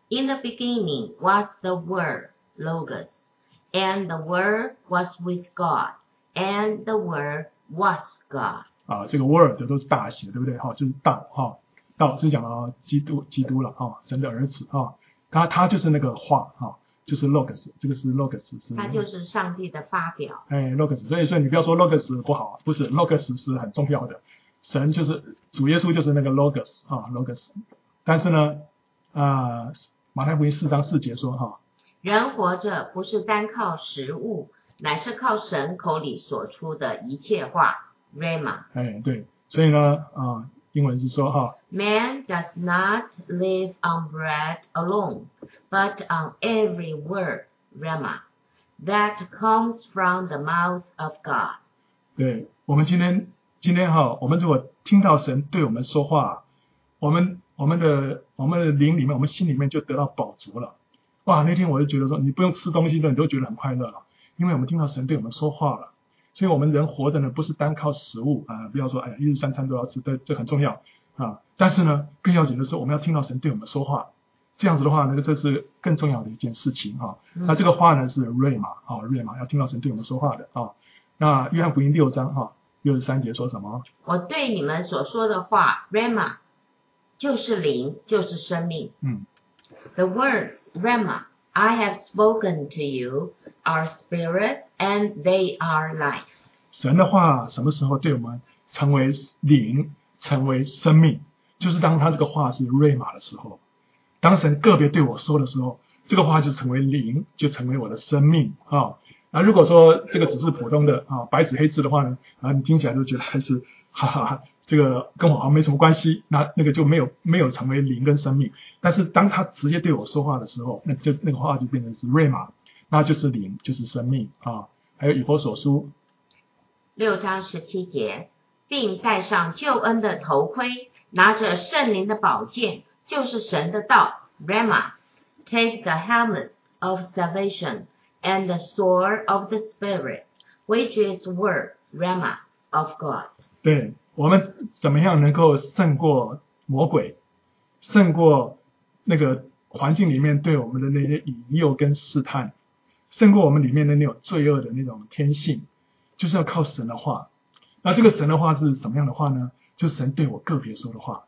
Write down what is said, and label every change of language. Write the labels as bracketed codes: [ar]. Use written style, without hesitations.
[en] In the beginning was the word logos， and the word was with God， and the word was God。 [zh] 啊，这个 word 都是大写，对不对？哈、啊，就是道哈、啊，道就讲了基督了哈、啊，神的儿子哈、啊，他就是那个话哈。啊就是 logos， 这个是 logos，它就是上帝的发表。哎 ，logos， 所以说你不要说 logos 不好，不是 logos 是很重要的，神就是主耶稣就是那个 logos 啊 ，logos。但是呢，马太福音四章四节说哈、啊，人活着不是单靠食物，乃是靠神口里所出的一切话 ，rhema。哎，对，所以呢，啊，英文是说哈、啊、 [en] ，man does not live on bread alone。 But on every word, Rhema, that comes from the mouth of God. [zh] 对，我们今天今天哈，我们如果听到神对我们说话，我们的灵里面，我们心里面就得到饱足了。哇，那天我就觉得说，你不用吃东西的，你都觉得很快乐了，因为我们听到神对我们说话了。所以，我们人活着呢，不是单靠食物啊，不要说哎呀，一日三餐都要吃，这很重要啊。但是呢，更要紧的是，我们要听到神对我们说话。这样子的话呢，这是更重要的一件事情啊。那这个话呢是瑞玛啊，瑞玛要听到神对我们说话的啊。那约翰福音六章哈六十三节说什么？我对你们所说的话 ，Rema， 就是灵，就是生命。嗯。 [en] The words Rema I have spoken to you are spirit and they are life。 [zh] 神的话什么时候对我们成为灵，成为生命？就是当他这个话是Rema的时候，当神个别对我说的时候，这个话就成为灵，就成为我的生命啊。哦，那如果说这个只是普通的啊白纸黑字的话呢，啊你听起来都觉得还是哈哈，这个跟我好像没什么关系，那个就没有成为灵跟生命。但是当他直接对我说话的时候，那个话就变成是瑞玛，那就是灵，就是生命啊。还有以弗所书六章十七节，并戴上救恩的头盔，拿着圣灵的宝剑，就是神的道 ，Rema， [en] take the helmet of salvation。 And the sword of the spirit, which is word, Rema of God. [zh] 对，我们怎么样能够胜过魔鬼，胜过那个环境里面对我们的那些引诱跟试探，胜过我们里面的那种罪恶的那种天性，就是要靠神的话。那这个神的话是什么样的话呢？就是神对我个别说的话。